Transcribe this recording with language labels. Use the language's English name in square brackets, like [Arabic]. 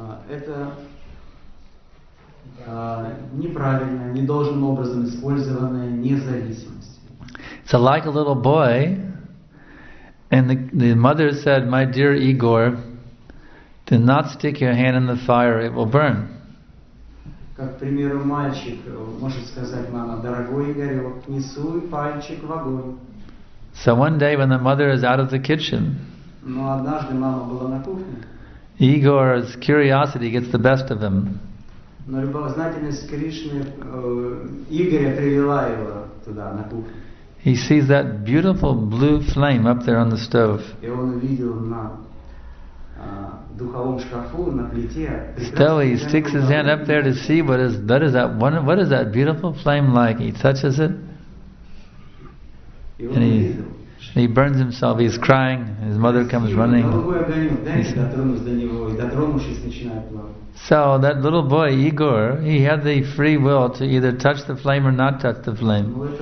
[Russian] Это неправильно, недолжным образом использованная независимость. [English] So like a little boy, and the mother said, "My dear Igor, do not stick your hand in the fire; it will burn." [Russian] Как к примеру, мальчик может сказать: мама, дорогой Игорек, не суй пальчик в огонь. [English] So one day when the mother is out of the kitchen, [Russian] но однажды мама была на кухне, [English] Igor's curiosity gets the best of him. [Russian] Но любознательность Кришны Игоря привела его туда, на кухню. [English] He sees that beautiful blue flame up there on the stove. [Russian] И он увидел на духовом шкафу на плите. [English] Still, he sticks his hand up there to see what is that beautiful flame like. He touches it, and he burns himself. He's crying. His mother comes running. So that little boy Igor, he had the free will to either touch the flame or not touch the flame.